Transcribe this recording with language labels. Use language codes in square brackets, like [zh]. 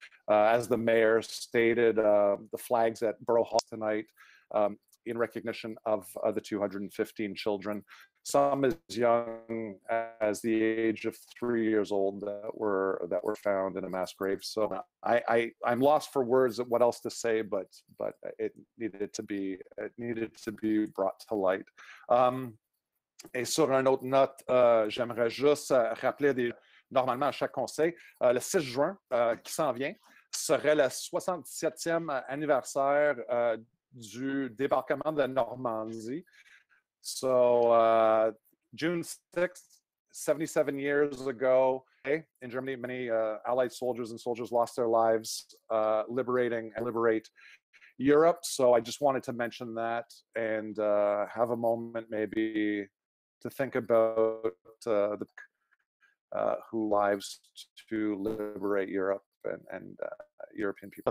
[en] As the mayor stated, the flags at Borough Hall tonight, in recognition of the 215 children, some as young as the age of 3 years old that were found in a mass grave. So I'm lost for words of what else to say, but it needed to be brought to light. [fr] Et sur une autre note, j'aimerais juste rappeler normalement à chaque conseil, le 6 juin qui s'en vient serait le 67e anniversaire du débarquement de Normandie. [en] So, June 6th, 77 years ago, in Germany, many Allied soldiers and soldiers lost their lives liberate Europe. So I just wanted to mention that and have a moment maybe to think about who lives to liberate Europe and European people.